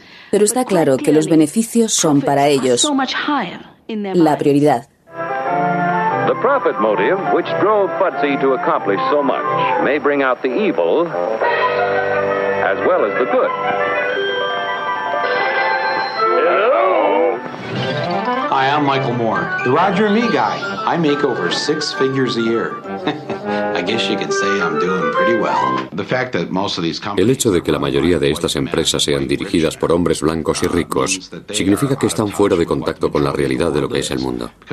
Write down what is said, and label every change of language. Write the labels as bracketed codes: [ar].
[es] Pero está claro que los beneficios son para ellos la prioridad. [en] The profit motive which drove Fudzy to accomplish so much may bring out the evil as well as the good. Hello. Hi, I'm Michael Moore, the Roger Me guy. I make over 6 figures a year. I guess you can say I'm doing pretty well. The fact that most of these companies. [es] El hecho de que la mayoría de estas empresas sean dirigidas por hombres blancos y ricos significa que están fuera de contacto con la realidad de lo que es el mundo.